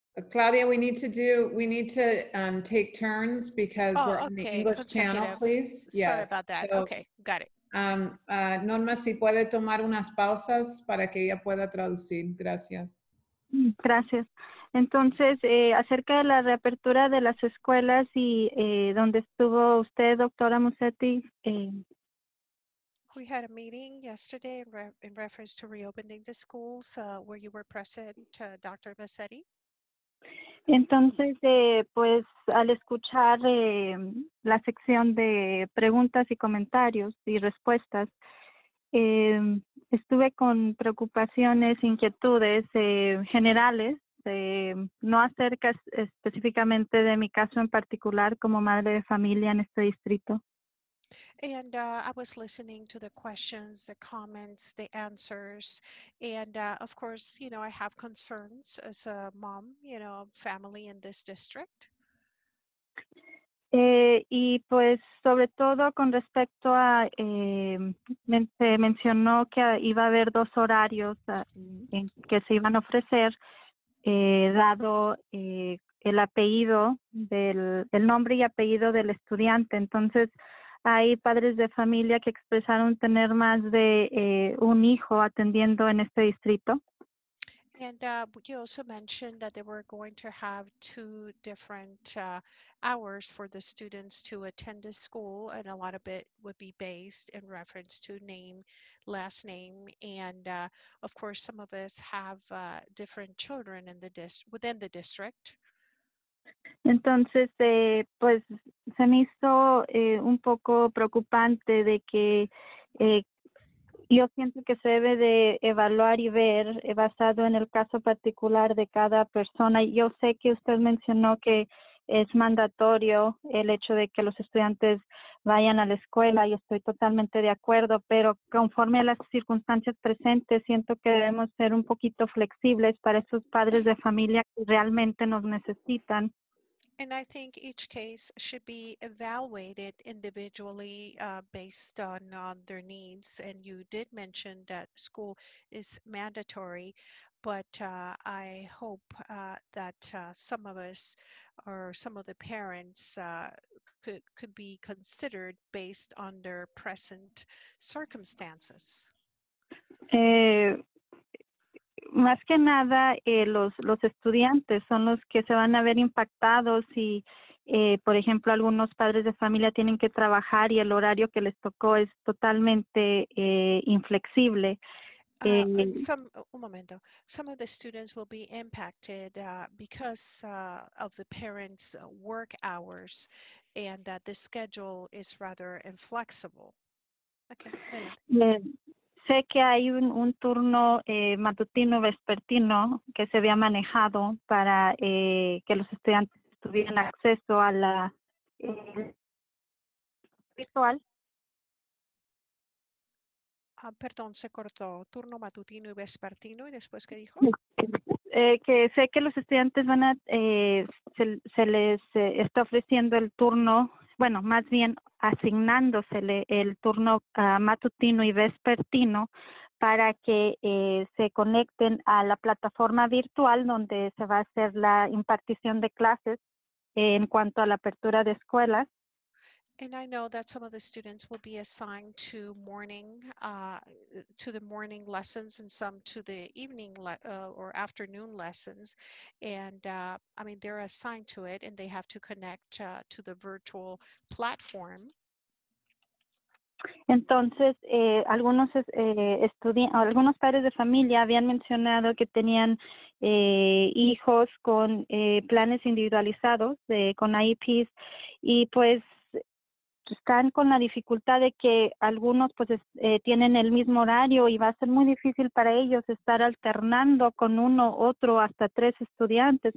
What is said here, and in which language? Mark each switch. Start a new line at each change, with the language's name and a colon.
English: Claudia, we need to take turns because we're on the English channel, please. Sorry about that. So, okay, got it.
Spanish: Norma, si puede tomar unas pausas para que ella pueda traducir. Gracias. Gracias. Entonces, acerca de la reapertura de las escuelas y donde estuvo usted, doctora Musetti.
English: We had a meeting yesterday in reference to reopening the schools where you were present, Dr. Musetti.
Spanish: Entonces, pues al escuchar la sección de preguntas y comentarios y respuestas, estuve con preocupaciones, inquietudes generales. No acerca específicamente de mi caso en particular como madre de familia en este distrito.
English: And I was listening to the questions, the comments, the answers, and of course, you know, I have concerns as a mom, you know, family in this district.
Spanish: Y pues sobre todo con respecto a se mencionó que iba a haber dos horarios en que se iban a ofrecer. Dado el apellido el nombre y apellido del estudiante. Entonces, hay padres de familia que expresaron tener más de un hijo atendiendo en este distrito.
English: And you also mentioned that they were going to have two different hours for the students to attend a school, and a lot of it would be based in reference to name, last name, and of course, some of us have different children in the within the district.
Spanish: Entonces, pues, se me hizo un poco preocupante de que yo siento que se debe de evaluar y ver basado en el caso particular de cada persona. Yo sé que usted mencionó que es mandatorio el hecho de que los estudiantes vayan a la escuela y estoy totalmente de acuerdo, pero conforme a las circunstancias presentes, siento que debemos ser un poquito flexibles para esos padres de familia que realmente nos necesitan.
English: And I think each case should be evaluated individually based on their needs. And you did mention that school is mandatory, but I hope that some of us or some of the parents could be considered based on their present circumstances.
Spanish: Más que nada, los estudiantes son los que se van a ver impactados y, por ejemplo, algunos padres de familia tienen que trabajar y el horario que les tocó es totalmente inflexible. Un momento.
English: Some of the students will be impacted because of the parents' work hours and that the schedule is rather inflexible. Okay.
Spanish: Sé que hay un turno matutino vespertino que se había manejado para que los estudiantes tuvieran acceso a la virtual. Ah, perdón, se cortó. Turno matutino y vespertino, ¿y después qué dijo? Que sé que los estudiantes van a se les está ofreciendo el turno, bueno, más bien asignándosele el turno matutino y vespertino para que se conecten a la plataforma virtual donde se va a hacer la impartición de clases en cuanto a la apertura de escuelas.
English: And I know that some of the students will be assigned to morning lessons and some to the evening or afternoon lessons. And I mean, they're assigned to it and they have to connect to the virtual platform.
Spanish: Entonces, algunos padres de familia habían mencionado que tenían hijos con planes individualizados, con IEPs, y pues están con la dificultad de que algunos pues tienen el mismo horario y va a ser muy difícil para ellos estar alternando con uno, otro, hasta tres estudiantes.